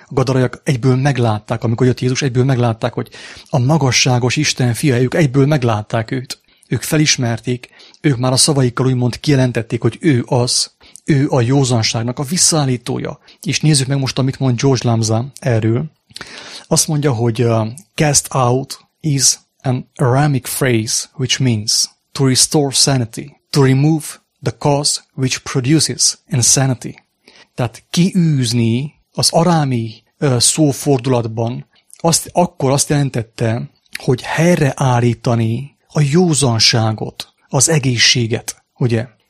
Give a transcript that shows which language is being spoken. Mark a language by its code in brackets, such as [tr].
[hu] A gadarajak egyből meglátták, amikor jött Jézus, egyből meglátták, hogy a magasságos Isten fia, ők egyből meglátták őt. Ők felismerték, ők már a szavaikkal úgymond kijelentették, hogy ő az, ő a józanságnak a visszaállítója. És nézzük meg most, amit mond George Lamza erről. Azt mondja, hogy [en] cast out is an Aramaic phrase which means to restore sanity, to remove the cause which produces insanity. [hu] Tehát kiűzni az arámi szófordulatban azt, akkor azt jelentette, hogy helyreállítani a józanságot, az egészséget, ugye?